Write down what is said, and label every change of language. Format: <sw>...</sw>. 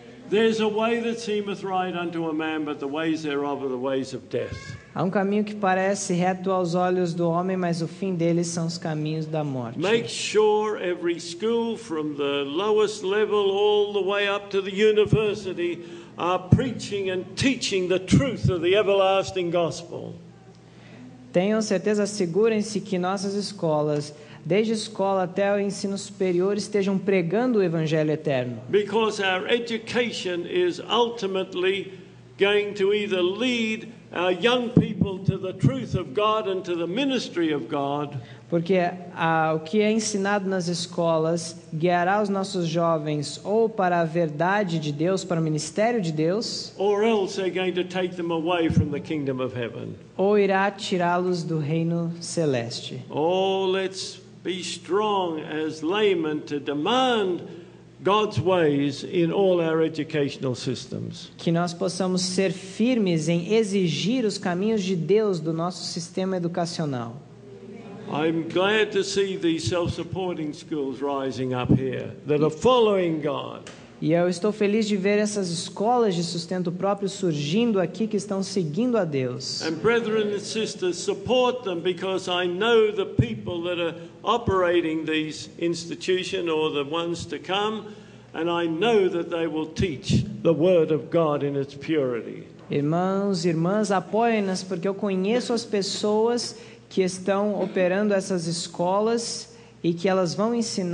<en>There's a way that seemeth right unto a man, but the ways thereof are the ways of death.</en> <pt>Há um caminho que parece reto aos olhos do homem, mas o fim dele são os caminhos da morte.</pt> <en>Make sure every school from the lowest level all the way up to the university are preaching and teaching the truth of the everlasting gospel.</en> <pt>Tenham certeza, assegurem-se que nossas escolas, desde a escola até o ensino superior, estejam pregando o evangelho eterno.</pt> <en>Because our education is ultimately going to either lead our young people. people to the truth of God and to the ministry of God.</en> <pt>Porque o que é ensinado nas escolas guiará os nossos jovens ou para a verdade de Deus, para o ministério de Deus,</pt> <en>or else they're going to take them away from the kingdom of heaven.</en> <pt>Ou irá tirá-los do reino celeste.</pt> <en>Oh, let's be strong as laymen to demand God's ways in all our educational systems.</en> <pt>Que nós possamos ser firmes em exigir os caminhos de Deus do nosso sistema educacional.</pt> <en>I'm glad to see these self-supporting schools rising up here that are following God.</en> <pt>E eu estou feliz de ver essas escolas de sustento próprio surgindo aqui que estão seguindo a Deus.</pt> <en>And brethren and sisters, support them because I know the people that are operating these institutions or the ones to come, and I know that they will teach the word of God in its purity.</en> <pt>Irmãos e irmãs, apoiem-nos porque eu conheço as pessoas que estão operando essas escolas e que elas vão ensinar</pt>